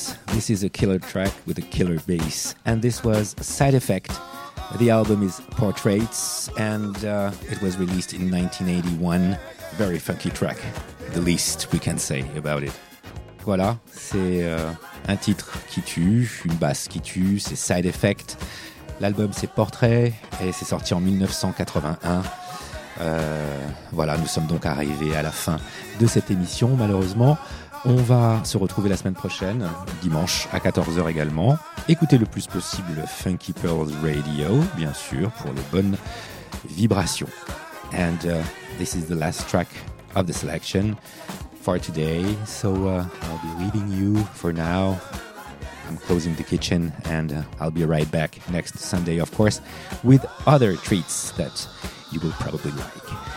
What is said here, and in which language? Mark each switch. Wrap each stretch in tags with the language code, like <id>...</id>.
<en>This is a killer track with a killer bass, and this was Side Effect. The album is Portraits, and it was released in 1981. Very funky track. the least we can say about it.</en> <fr>Voilà, c'est un titre qui tue, une basse qui tue, c'est Side Effect. L'album c'est Portrait et c'est sorti en 1981. Voilà, nous sommes donc arrivés à la fin de cette émission, malheureusement. On va se retrouver la semaine prochaine, dimanche, à 14h également. Écoutez le plus possible Funky Pearls Radio, bien sûr, pour les bonnes vibrations.</fr> <en>And this is the last track of the selection for today. So I'll be leaving you for now. I'm closing the kitchen and I'll be right back next Sunday, of course, with other treats that you will probably like.</en>